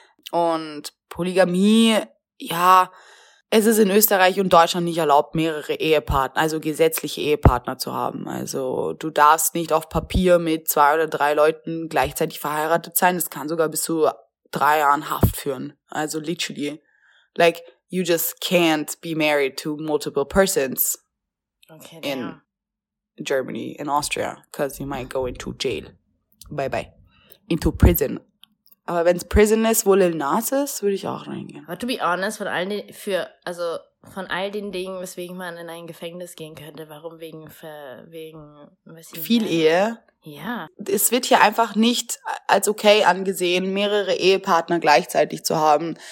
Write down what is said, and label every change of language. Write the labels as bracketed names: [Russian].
[German] Und Polygamie, ja, es ist in Österreich und Deutschland nicht erlaubt, mehrere Ehepartner, also gesetzliche Ehepartner zu haben. Also du darfst nicht auf Papier mit 2 oder 3 Leuten gleichzeitig verheiratet sein. Das kann sogar bis zu 3 Jahren Haft führen. Also literally. [English] Like, you just can't be married to multiple persons in Germany, in Austria, because you might go into jail. Bye-bye. Into prison. [German] Aber wenn es Prison ist, wo Lil Nas ist, würde ich auch reingehen. [English] But to be honest, [German] von all den Dingen, weswegen man in ein Gefängnis gehen könnte, warum wegen was ich viel meine. Ehe. Ja. Es wird hier einfach nicht als okay angesehen, mehrere Ehepartner gleichzeitig zu haben.